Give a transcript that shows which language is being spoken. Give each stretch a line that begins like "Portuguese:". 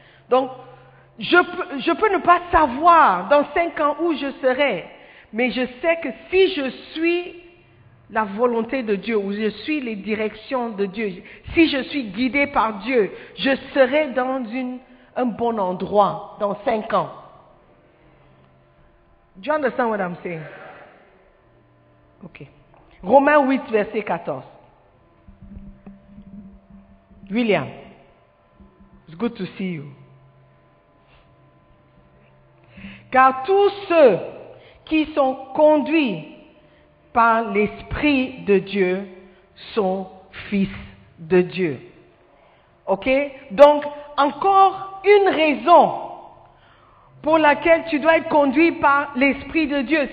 French: Donc, je peux ne pas savoir dans 5 ans où je serai. Mais je sais que si je suis la volonté de Dieu, ou je suis les directions de Dieu, si je suis guidé par Dieu, je serai dans un bon endroit dans 5 ans.
English: Do you understand what I'm saying? Ok.
French: Romains 8, verset 14.
English: William, it's good to see you.
French: Car tous ceux qui sont conduits par l'Esprit de Dieu sont fils de Dieu. Ok? Donc, encore une raison pour laquelle tu dois être conduit par l'Esprit de Dieu.